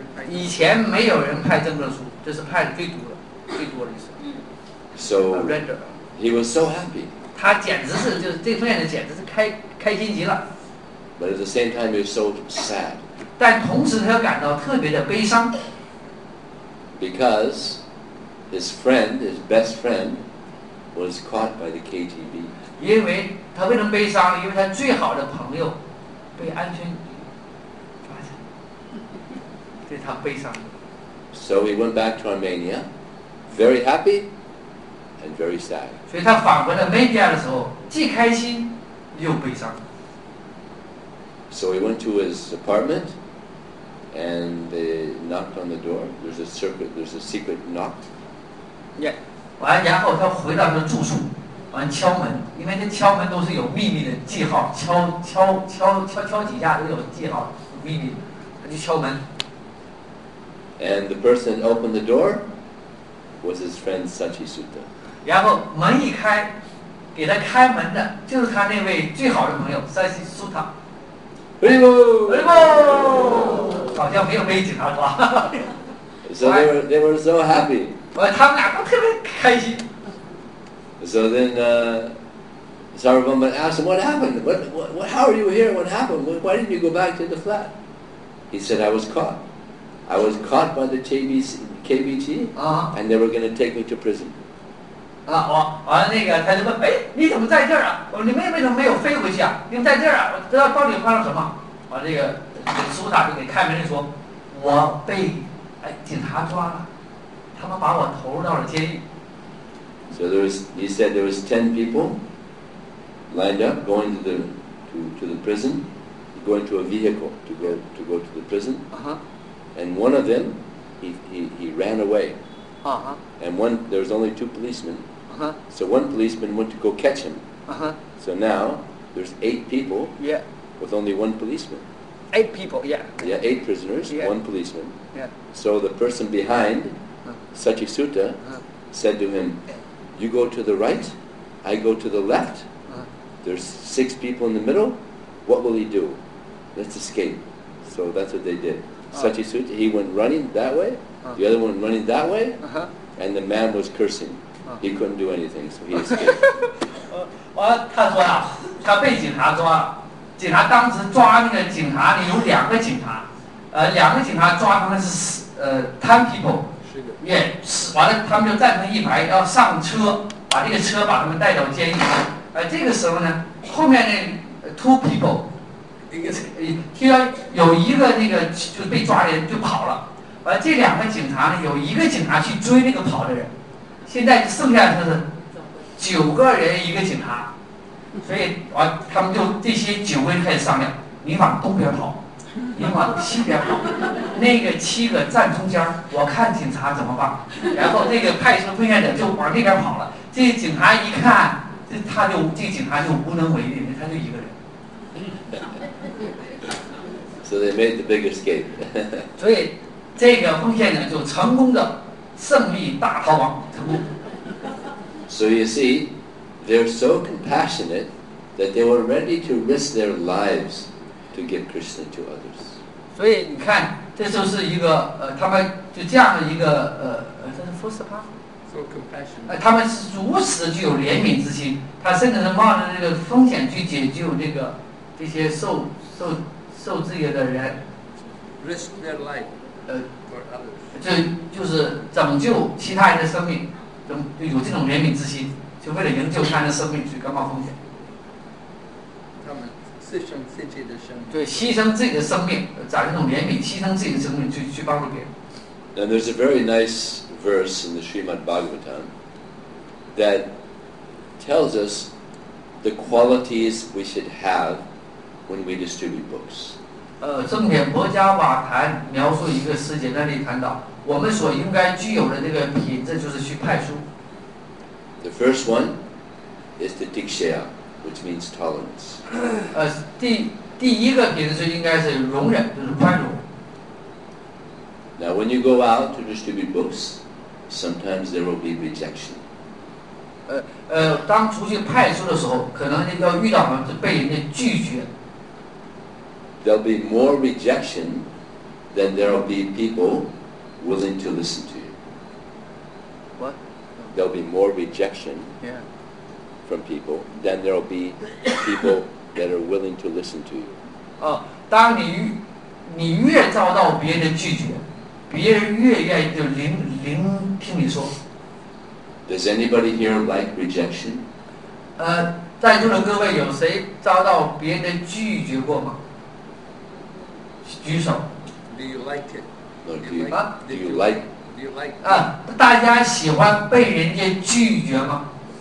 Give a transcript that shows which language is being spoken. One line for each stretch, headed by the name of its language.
Chinese: 以前没有人派证证书，这是派的最多的。最多的意思。
English: So he was so happy.
Chinese: 他简直是就是这方面的简直是开心极了。
English: But at the same time, he was so sad.
Chinese: 但同时他又感到特别的悲伤。
English: Because his friend, his best friend, was caught by the KGB.
Chinese: 因为他为什么悲伤？因为他最好的朋友被安全局发现，对他悲伤。
English: So he went back to Armenia, very happy and very sad.
Chinese: 所以他返回了 Armenia 的时候，既开心又悲伤。
English: So he went to his apartment, and they knocked on the door. There's a secret knock. Yeah.
Chinese: 完，然后他回到他住处，完敲门，因为这敲门都是有秘密的记号，敲几下都有记号，有秘密，他就敲门。
English: And the person opened the door was his friend Sanchisutta.
Chinese: 然后门一开，给他开门的就是他那位最好的朋友 Sanchisutta.
English: Primo!
Chinese: Primo! 好像没有背景啊，是吧？
English: So they were so happy.
Chinese: 他们俩都特别开心。
English: So then, Sarvabhauma asked him, "What happened? What? How are you here? What happened? Why didn't you go back to the flat?" He said, "I was caught. I was caught by the KBT, and they were going to take me to prison."
Chinese: 他就问，你怎么在这儿啊？你们为什么没有飞回去啊？你们在这儿啊？我知道到底发生什么。完，苏打就给开门说，我被警察抓了，他们把我投入到了监狱。
English: So he said there was 10 people lined up going to the prison, going to a vehicle to go to the prison. Uh-huh. And one of them, he ran away. Uh-huh. And one, there was only two policemen. Uh-huh. So one policeman went to go catch him. Uh-huh. So now there's 8 people. Yeah. With only one policeman. 8 people. Yeah. Yeah. 8 prisoners. Yeah. 1 policeman. Yeah. So the person behind, Sachisuta, uh-huh. said to him, "You go to the right, I go to the left. There's 6 people in the middle. What will he do? Let's escape." So that's what they did. Sachisuta, he went running that way, the other one running that way, and the man was cursing. He couldn't do anything, so he escaped.
Chinese: 他说啊，他被警察抓了。警察当时抓那个警察呢，有两个警察，两个警察抓他们是
English: 10 people。
Chinese: 也是完了，他们就站成一排，要上车，把这个车把他们带到监狱。这个时候呢，后面那
English: two people，
Chinese: 听到有一个那个就被抓的人就跑了。完了，这两个警察呢，有一个警察去追那个跑的人。现在剩下的是9个人一个警察，所以完他们就这些警卫开始商量：你往东边跑。你往西边跑，那个7个站中间，我看警察怎么办。然后那个派出所的就往那边跑了。这些警察一看，这警察就无能为力，他就一个人。
English: So they made the big escape.
Chinese: 所以这个奉献者就成功的胜利大逃亡成功。
English: So you see, they're so compassionate that they were ready to risk their lives. To give Krishna to others.
Chinese: 所以你看，这就是一个他们就这样的一个这是
English: first part. So compassionate.
Chinese: 他们是如此具有怜悯之心，他甚至是冒着这个风险去解救这个这些受制约的人。
English: Risk their life. For others.
Chinese: 就是拯救其他人的生命，就有这种怜悯之心，就为了营救他的生命去甘冒风险。他们。牺牲自己的生命，对，牺牲自己的生命，找这种怜悯，牺牲自己的生命去帮助别人。
English: Then there's a very nice verse in the Srimad Bhagavatam that tells us the qualities we should have when we distribute books.
Chinese: 正点博伽瓦坛描述一个师姐，那里谈到我们所应该具有的那个品质，就是去派书。
English: The first one is the diksha. Which means tolerance.
Chinese: 第一个品质应该是容忍，就是宽容。
English: Now, when you go out to distribute books, sometimes there will be rejection.
Chinese: 当出去派书的时候，可能要遇到什么，就被人家拒绝。
English: There'll be more rejection than there'll be people willing to listen to you.
Chinese: 我
English: there'll be more rejection from people than there'll be people that are willing to listen to you.
Chinese: 当你越遭到别人的拒绝，别人越愿意就聆听你说。
English: Does anybody here like rejection?
Chinese: 在座的各位有谁遭到别人的拒绝过吗？举手。
English: Do you like it? Do you like it?
Chinese: 大家喜欢被人家拒绝吗？